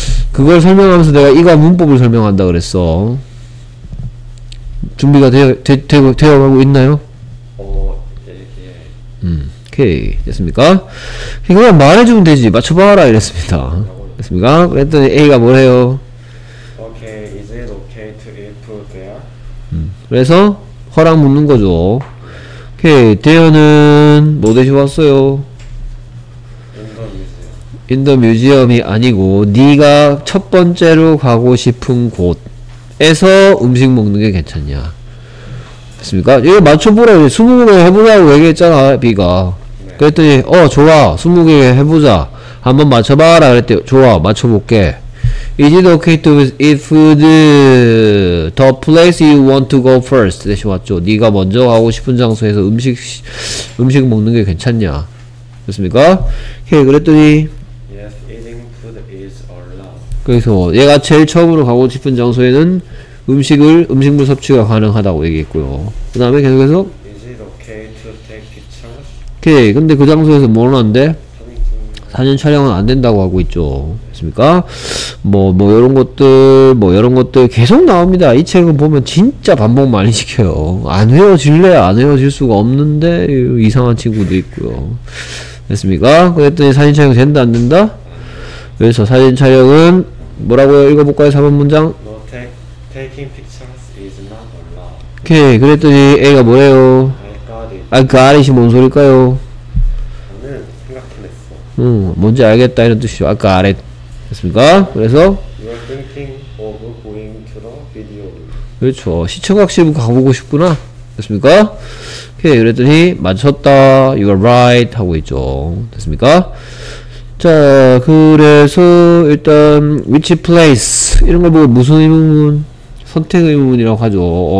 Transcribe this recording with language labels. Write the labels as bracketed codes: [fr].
[ko] 그걸 설명하면서 내가 이가 문법을 설명한다 그랬어. 준비가 되어가고 있나요? 오케이 됐습니까? 그냥 말해주면 되지 맞춰봐라 이랬습니다. 됐습니까? 그랬더니 A가 뭐래요? [en] Okay, is it okay to eat food there? [ko] 그래서 허락 묻는 거죠. 오케이 대현은 뭐 대신 왔어요? [en] In the museum이 [ko] 아니고 네가 첫 번째로 가고 싶은 곳에서 음식 먹는 게 괜찮냐? 됐습니까? 이거 맞춰보라 20개 해보라고 얘기했잖아 B가. 그랬더니 좋아 20개 해보자 한번 맞춰봐라 그랬대요. 좋아 맞춰볼게. [en] Is it okay to eat food the place you want to go first? [ko] 대신 왔죠. 네가 먼저 가고 싶은 장소에서 음식 먹는 게 괜찮냐. 됐습니까? 오케이 그랬더니 [en] Yes, eating food is allowed. [ko] 그래서 얘가 제일 처음으로 가고 싶은 장소에는 음식물 섭취가 가능하다고 얘기했고요. 그 다음에 계속해서 [en] Is it okay to take pictures? [ko] 오케이. 근데 그 장소에서 뭘 하는데? 사진 촬영은 안 된다고 하고 있죠. 맞습니까? 뭐 이런 것들 계속 나옵니다. 이 책은 보면 진짜 반복 많이 시켜요. 안 외워질래? 안 외워질 수가 없는데? 이상한 친구도 있고요. 됐습니까? 그랬더니 사진 촬영 된다 안 된다? 그래서 사진 촬영은 뭐라고요? 읽어볼까요? 4번 문장. [en] No, taking pictures is not allowed. [ko] 오케이. 그랬더니 A가 뭐래요? [en] I got it. [ko] 아, 그 R이 뭔 소릴까요? 나는 생각해 냈어. 뭔지 알겠다 이런 뜻이죠. 아, 그 R에 됐습니까? 그래서 [en] You are thinking of going to the video. [ko] 그렇죠. 시청각실을 가보고 싶구나. 됐습니까? 오케이. 그랬더니 맞췄다. [en] You are right [ko] 하고 있죠. 됐습니까? 자, 그래서 일단 [en] which place [ko] 이런 걸 보고 무슨 의문문, 선택 의문문이라고 하죠.